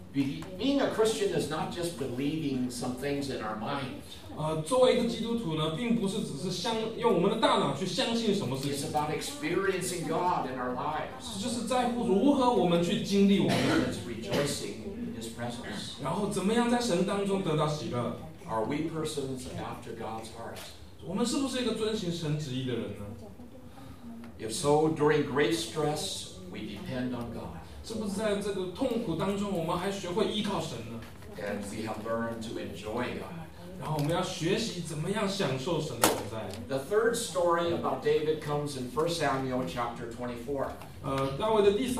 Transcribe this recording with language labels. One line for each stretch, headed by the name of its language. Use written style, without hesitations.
English: Being a Christian is not just believing some things in our mind.
Chinese: 作为一个基督徒呢，并不是只是用我们的大脑去相信什么事情。
English: It's about experiencing God in our lives.
Chinese: 就是在乎如何我们去经历我们的。
English: It's rejoicing in His presence.
Chinese: 然后怎么样在神当中得到喜乐。
English: Are we persons after God's heart?
Chinese: 我们是不是一个遵行神旨意的人呢？
English: If so, during great stress, we depend on God.
Chinese: 是不是在这个痛苦当中，我们还学会依靠神呢？
English: And we have learned to enjoy God.
Chinese: 然后我们要学习怎么样享受神的存在。
English: The third story about David comes in 1 Samuel chapter 24.